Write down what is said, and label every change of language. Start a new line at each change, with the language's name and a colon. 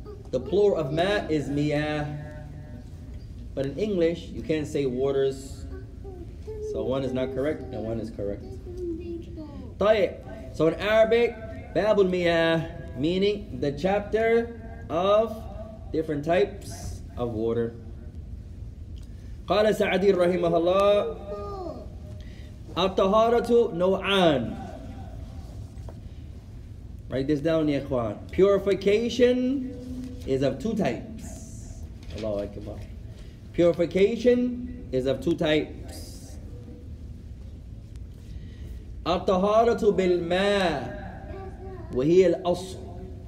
English: The plural of ma' is miyah. But in English, you can't say waters. So one is not correct, and one is correct.
Arabic: طيب.
English: So in Arabic,
Arabic: باب المياه,
English: meaning the chapter of different types of water.
Arabic: قال سعدي رحمه الله الطهارة نوعان.
English: Write this down, ya ikhwan. Purification is of two types. Allahu Akbar. Purification is of two types.
Arabic: At-taharatu bil-maa wa hiya al-asl.